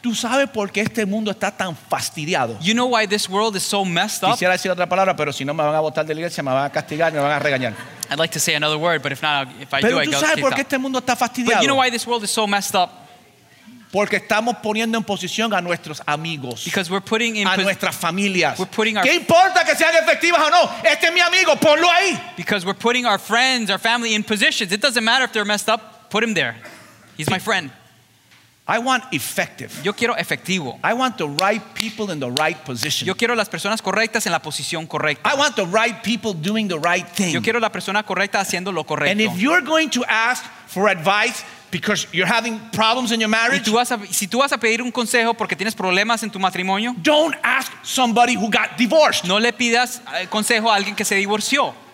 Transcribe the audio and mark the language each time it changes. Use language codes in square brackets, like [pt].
[es] ¿Tú sabes por qué este mundo está tan fastidiado? [en] You know why this world is so messed up? [es] Quisiera decir otra palabra, pero si no me van a botar de la iglesia, me van a castigar, me van a regañar. [en] I'd like to say another word, but if not, if I [es] pero [en] do, I go. [es] ¿Tú sabes por qué este mundo está fastidiado? [en] But you know why this world is so messed up? [es] Porque estamos poniendo en posición a nuestros amigos. [en] Because we're putting in [es] a nuestras familias. [en] We're putting our. [es] ¿Qué importa que sean efectivas o no? Este es mi amigo, ponlo ahí. [en] Because we're putting our friends, our family in positions. It doesn't matter if they're messed up. Put him there. He's my friend. I want effective. [es] Yo quiero efectivo. [en] I want the right people in the right position. [es] Yo quiero las personas correctas en la posición correcta. [en] I want the right people doing the right thing. [es] Yo quiero la persona correcta haciendo lo correcto. [en] And if you're going to ask for advice because you're having problems in your marriage, [es] si tú vas a pedir un consejo porque tienes problemas en tu matrimonio, [en] don't ask somebody who got divorced. [es] No le pidas consejo a alguien que se divorció.